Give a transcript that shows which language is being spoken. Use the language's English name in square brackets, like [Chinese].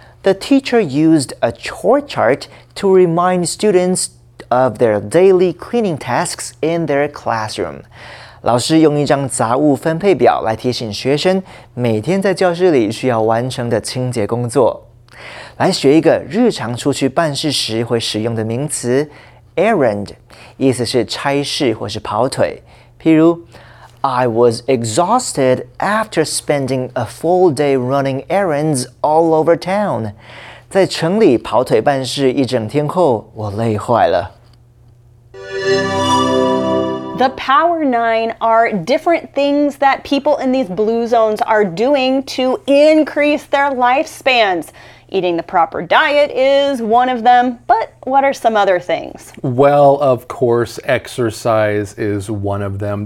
[English] The teacher used a chore chart to remind students of their daily cleaning tasks in their classroom. [Chinese] 老师用一张杂物分配表来提醒学生每天在教室里需要完成的清洁工作。来学一个日常出去办事时会使用的名词 errand， 意思是差事或是跑腿。譬如 [English] I was exhausted after spending a full day running errands all over town. [Chinese] 在城里跑腿办事一整天后，我累坏了。 [English] The Power Nine are different things that people in these blue zones are doing to increase their lifespans. Eating the proper diet is one of them, but what are some other things? Well, of course, exercise is one of them.